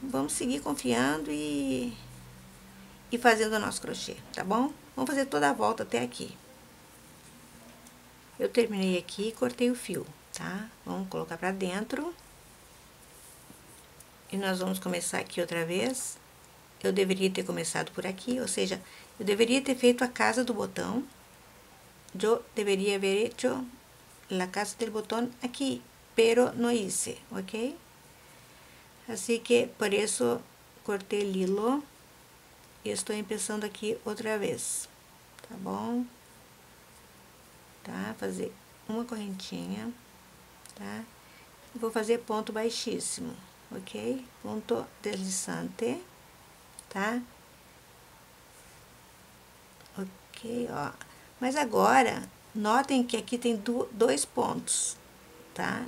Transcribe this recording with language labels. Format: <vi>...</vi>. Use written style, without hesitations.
<pt>Vamos seguir confiando e fazendo o nosso crochê, tá bom? Vamos fazer toda a volta até aqui. Eu terminei aqui e cortei o fio, tá? Vamos colocar pra dentro. E nós vamos começar aqui outra vez. Eu deveria ter começado por aqui, ou seja, eu deveria ter feito a casa do botão.</pt> <es>Eu deveria haber hecho la casa del botón aquí, pero no hice, ok? Así que por eso corté el hilo y estoy empezando aquí otra vez,</es> <pt>tá bom? Tá? Fazer uma correntinha, tá? Vou fazer ponto baixíssimo, ok? Ponto deslizante, tá? Ok, ó. Mas agora, notem que aqui tem dois pontos, tá?</pt>